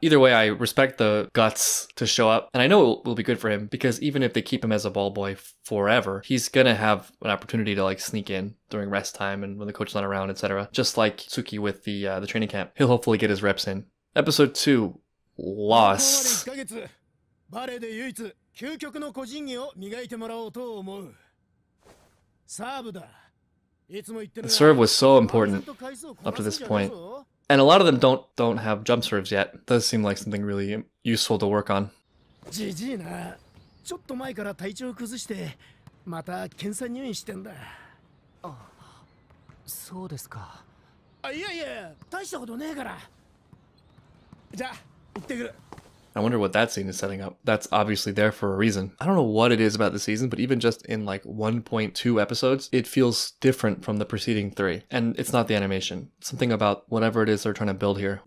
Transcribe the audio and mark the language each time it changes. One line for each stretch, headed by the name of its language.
English: Either way, I respect the guts to show up, and I know it will be good for him, because even if they keep him as a ball boy forever, he's gonna have an opportunity to like sneak in during rest time and when the coach's not around, etc. Just like Tsuki with the training camp, he'll hopefully get his reps in. Episode 2, Lost.
Japanese: バレーで唯一究極の個人技を磨いてもらおうと思う。サーブだ。いつも言ってる。
English: The serve was so important up to this point. And a lot of them don't have jump serves yet. Does seem like something really useful to work on.
Japanese: ジジイな。ちょっと前から体調崩して、また検査入院してんだ。あ、そうですか。あ、いやいや、大したことねえから。じゃあ、行ってくる。
English: I wonder what that scene is setting up. That's obviously there for a reason. I don't know what it is about the season, but even just in like 1.2 episodes, it feels different from the preceding three. And it's not the animation. It's something about whatever it is they're trying to build here.